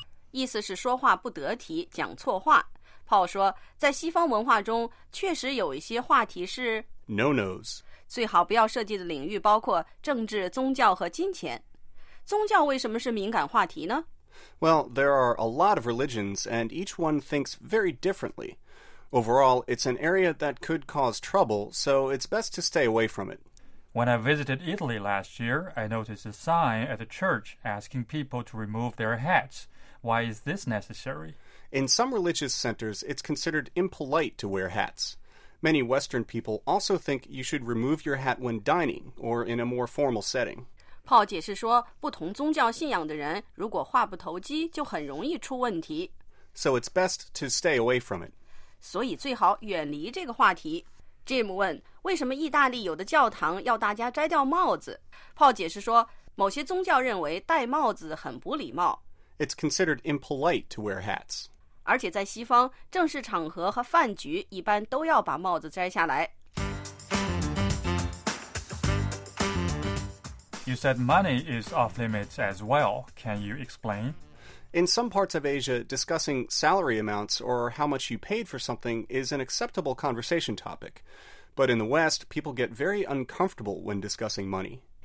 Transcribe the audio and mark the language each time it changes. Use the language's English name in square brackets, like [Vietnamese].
[Chinese] 意思是说话不得体，讲错话。 Paul 说，在西方文化中，确实有一些话题是 [English] no nos， [Chinese] 最好不要涉及的领域包括政治、宗教和金钱。宗教为什么是敏感话题呢 [English] ？Well, there are a lot of religions, and each one thinks very differently. Overall, it's an area that could cause trouble, so it's best to stay away from it. When I visited Italy last year, I noticed a sign at the church asking people to remove their hats. Why is this necessary? In some religious centers, it's considered impolite to wear hats. Many Western people also think you should remove your hat when dining or in a more formal setting. [Chinese] Paul 解释说，不同宗教信仰的人如果话不投机，就很容易出问题。 [English] So it's best to stay away from it. [Chinese] 所以最好远离这个话题。Jim 问，为什么意大利有的教堂要大家摘掉帽子？ Paul 解释说，某些宗教认为戴帽子很不礼貌。 [English] It's considered impolite to wear hats. [Chinese] 而且在西方，正式场合和饭局一般都要把帽子摘下来。 [English] You said money is off limits as well. Can you explain? In some parts of Asia, discussing salary amounts or how much you paid for something is an acceptable conversation topic. But in the West, people get very uncomfortable when discussing money.